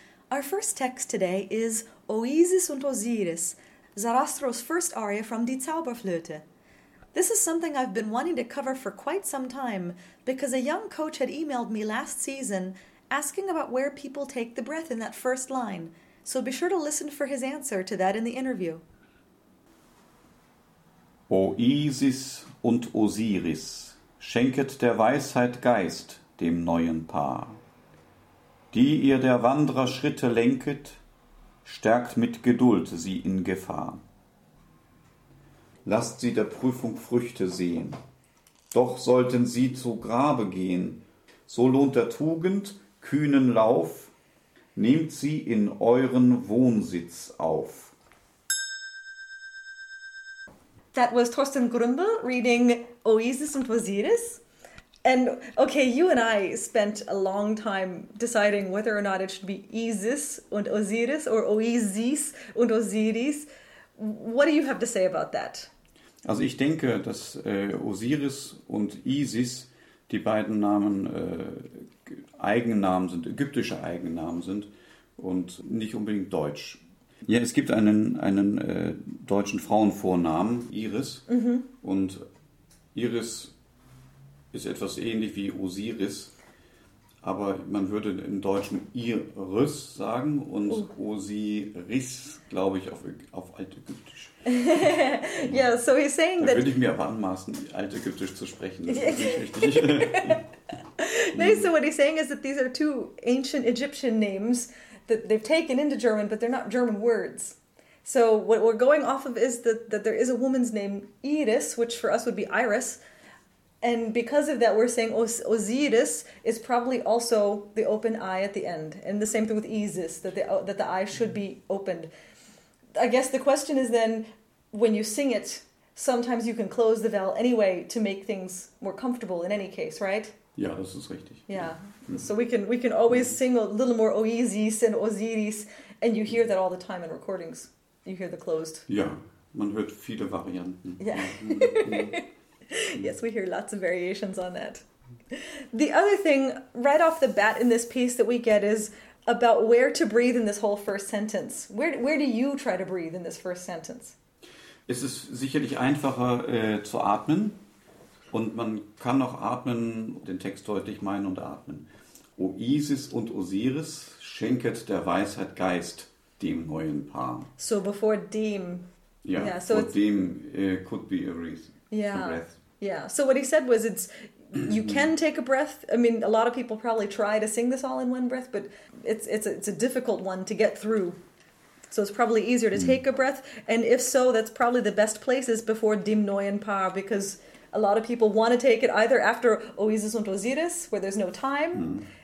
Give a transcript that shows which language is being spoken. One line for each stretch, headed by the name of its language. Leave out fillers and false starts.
English: Our first text today is Oasis und Osiris, Sarastro's first aria from Die Zauberflöte. This is something I've been wanting to cover for quite some time because a young coach had emailed me last season asking about where people take the breath in that first line, so be sure to listen for his answer to that in the interview.
German: Oasis und Osiris, schenket der Weisheit Geist dem neuen Paar. die ihr der Wanderer Schritte lenket, stärkt mit Geduld sie in Gefahr. Lasst sie der Prüfung Früchte sehen, doch sollten sie zu Grabe gehen, so lohnt der Tugend kühnen Lauf, nehmt sie in euren Wohnsitz auf.
English: That was Thorsten Grümbel reading Oasis und Waziris. And okay, you and I spent a long time deciding whether or not it should be Isis und Osiris or Oasis und Osiris. What do you have to say about that?
German: Also ich denke, dass Osiris und Isis die beiden Namen Eigennamen sind, ägyptische Eigennamen sind und nicht unbedingt deutsch. Ja, es gibt einen deutschen Frauenvornamen, Iris. Mhm. Und Iris ist etwas ähnlich wie Osiris, aber man würde im Deutschen Iris sagen und Osiris, glaube ich, auf Altägyptisch.
English: Ja, yeah, so he's saying
German: da
English: that.
German: Da würde ich mir aber anmaßen, Altägyptisch zu sprechen. Das ist nicht richtig.
English: No, so what he's saying is that these are two ancient Egyptian names that they've taken into German, but they're not German words. So what we're going off of is that there is a woman's name, Iris, which for us would be Iris. And because of that, we're saying Osiris is probably also the open eye at the end. And the same thing with Isis, that the eye should be opened. I guess the question is then, when you sing it, sometimes you can close the vowel anyway to make things more comfortable in any case, right?
German: Ja, das ist richtig.
English: Yeah. Mm-hmm. So we can always sing a little more Oasis and Osiris, and you hear that all the time in recordings. You hear the closed.
German: Ja, man hört viele Varianten.
English: Yeah. Yes, we hear lots of variations on that. The other thing right off the bat in this piece that we get is about where to breathe in this whole first sentence. Where do you try to breathe in this first sentence?
German: Es ist sicherlich einfacher zu atmen. Und man kann noch atmen, den Text deutlich meinen und atmen. O Isis und Osiris schenket der Weisheit Geist dem neuen Paar.
English: So before dem. Ja, yeah, so before dem could be a reason. Yeah, yeah. So what he said was it's you can take a breath. I mean, a lot of people probably try to sing this all in one breath, but it's a difficult one to get through. So it's probably easier to take a breath. And if so, that's probably the best place is before
German: dem neuen Paar,
English: because a lot of people want to take it either after Oasis und Osiris, where there's no time.